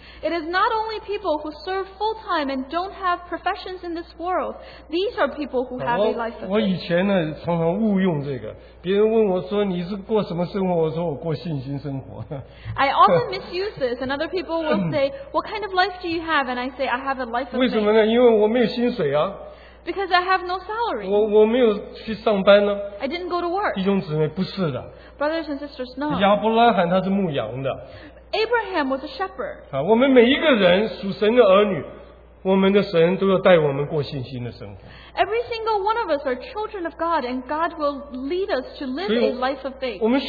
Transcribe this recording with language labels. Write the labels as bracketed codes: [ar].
[en] It is not only people who serve full time and don't have professions in this world. These are people who have a life of faith. [zh] 我以前呢常常误用这个, 别人问我说你是过什么生活, 我说我过信心生活。 [en] I often misuse this, and other people will say, "What kind of life do you have?" And I say, "I have a life of faith." [zh] 为什么呢?因为我没有薪水啊。 [en] Because I have no salary. [zh] 我没有去上班呢。 [en] I didn't go to work. [zh] 弟兄姊妹, 不是的。 [en] Brothers and sisters, no. [zh] 亚伯拉罕他是牧羊的。 [en] Abraham was a shepherd. [zh] 啊, 我们每一个人属神的儿女, 我们的神都要带我们过信心的生活。 [en] Every single one of us are children of God, and God will lead us to live a life of faith.